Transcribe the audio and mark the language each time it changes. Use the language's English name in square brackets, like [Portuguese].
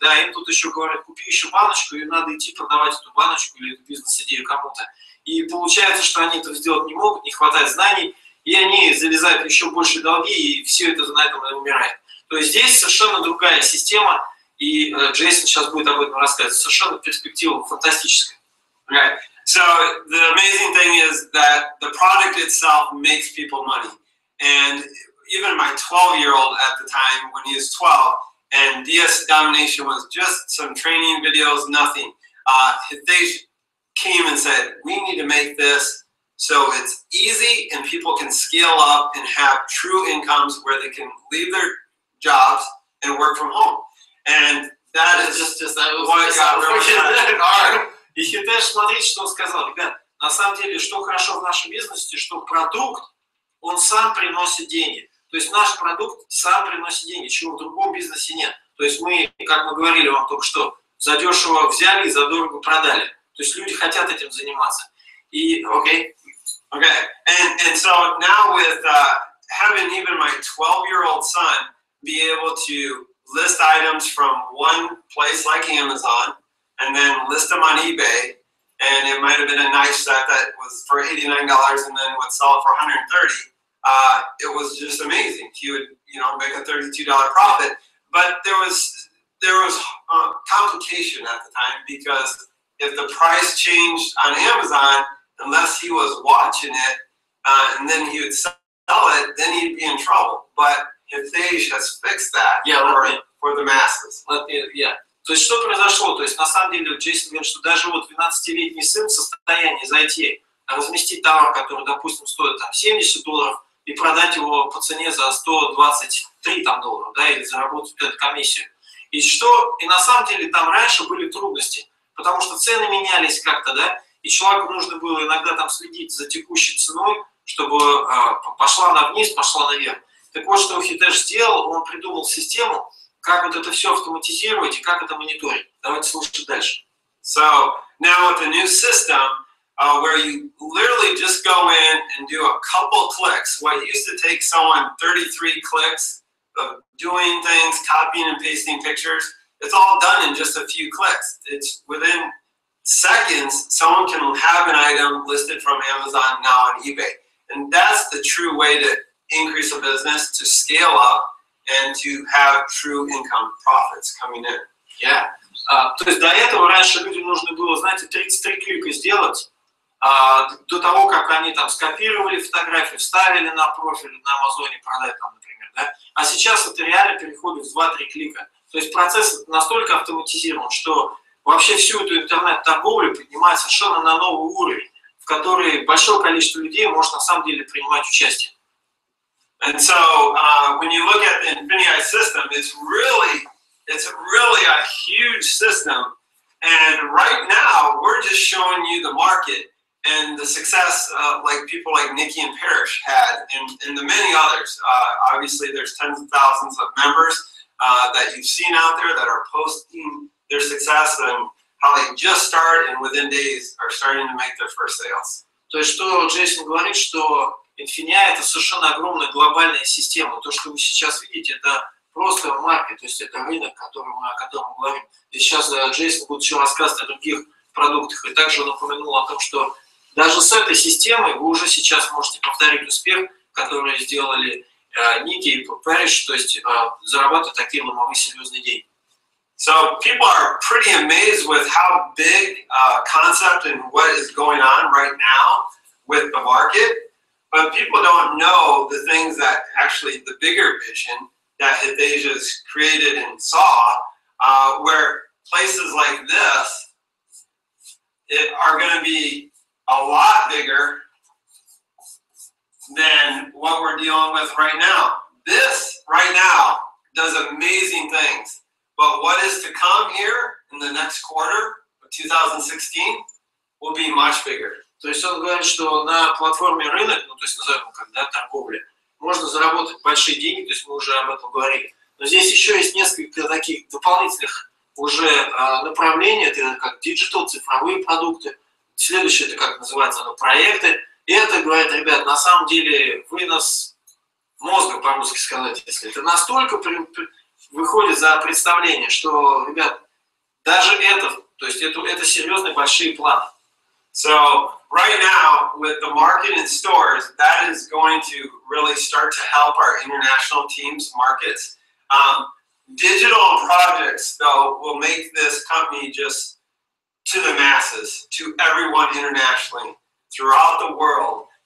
[Russian] Да, им тут еще говорят, купи еще баночку, и надо идти продавать эту баночку или эту бизнес-идею кому-то. И получается, что они этого сделать не могут, не хватает знаний, и они залезают еще больше долги, и все это на этом и умирает. То есть здесь совершенно другая система, и Джейсон сейчас будет об этом рассказывать. Совершенно перспектива фантастическая. [English] Right. So the amazing thing is that the product itself makes people money. And even my 12-year-old at the time, when he was 12, and DS Domination was just some training videos, nothing. They came and said, we need to make this so it's easy and people can scale up and have true incomes where they can leave their jobs and work from home. And that is just why it got really hard. [Russian] И Hitesh, смотрите, что он сказал. Ребят, на самом деле, что хорошо в нашем бизнесе, что продукт, он сам приносит деньги. То есть наш продукт сам приносит деньги, чего в другом бизнесе нет. То есть мы, как мы говорили вам только что, за дешево взяли и за дорого продали. То есть люди хотят этим заниматься. И, окей? Окей. [English] And so now with having even my 12-year-old son be able to list items from one place like Amazon, and then list them on eBay, and it might have been a nice set that was for $89 and then would sell it for $130. It was just amazing. He would, you know, make a $32 profit. But there was complication at the time, because if the price changed on Amazon, unless he was watching it, and then he would sell it, then he'd be in trouble. But Hitesh has fixed that. For the masses. [Russian] То есть что произошло? То есть на самом деле Джейсон говорит, что даже вот 12-летний сын в состоянии зайти, разместить товар, который, допустим, стоит там $70, и продать его по цене за $123, да, или заработать вот эту комиссию. И что? И на самом деле там раньше были трудности, потому что цены менялись как-то, да, и человеку нужно было иногда там следить за текущей ценой, чтобы пошла она вниз, пошла наверх. Так вот, что Hitesh сделал, он придумал систему, как вот это все автоматизировать и как это мониторить. Давайте слушать дальше. [English] So, now with the new system, where you literally just go in and do a couple clicks, what used to take someone 33 clicks of doing things, copying and pasting pictures, it's all done in just a few clicks. It's within seconds, someone can have an item listed from Amazon now on eBay. And that's the true way to increase a business, to scale up, and to have true income profits coming in. Yeah. [Russian] То есть до этого раньше людям нужно было, знаете, 33 клика сделать, до того, как они там скопировали фотографию, вставили на профиль на Амазоне, продать там, например, да? А сейчас это реально переходит в 2-3 клика. То есть процесс настолько автоматизирован, что вообще всю эту интернет-торговлю поднимает совершенно на новый уровень, в который большое количество людей может на самом деле принимать участие. [English] And so when you look at the Infinity system, it's really a huge system. And right now, we're just showing you the market and the success of like people like Nikki and Parrish had and the many others. Obviously, there's tens of thousands of members that you've seen out there that are posting their success and how they just start and within days are starting to make their first sales. [Russian] То есть, что Джейсон говорит, что Infinia — это совершенно огромная глобальная система. То, что вы сейчас видите, это просто маркет, то есть это рынок, о котором мы говорим. И сейчас Джейсон будет еще рассказывать о других продуктах. И также он упомянул о том, что даже с этой системой вы уже сейчас можете повторить успех, который сделали Ники и Парриш, то есть зарабатывать такие ломовые серьезные деньги. [English] So people are pretty amazed with how big a concept and what is going on right now with the market. But people don't know the things that actually the bigger vision that Hithesia's created and saw, where places like this it are going to be a lot bigger than what we're dealing with right now. This right now does amazing things. But what is to come here in the next quarter of 2016 will be much bigger. [Russian] То есть он говорит, что на платформе рынок, ну то есть назовем его как, да, торговля, можно заработать большие деньги, то есть мы уже об этом говорили. Но здесь еще есть несколько таких дополнительных уже направлений, это как digital, цифровые продукты. Следующее это как называется, оно, проекты. И это говорит, ребят, на самом деле вынос мозга, по-русски сказать, если это настолько выходит за представление, что, ребят, даже это, то есть это серьезные большие планы. [English] So right now with the market and stores, that is going to really start to help our international teams markets. Digital projects though will make this company just to the masses, to everyone internationally, throughout the world.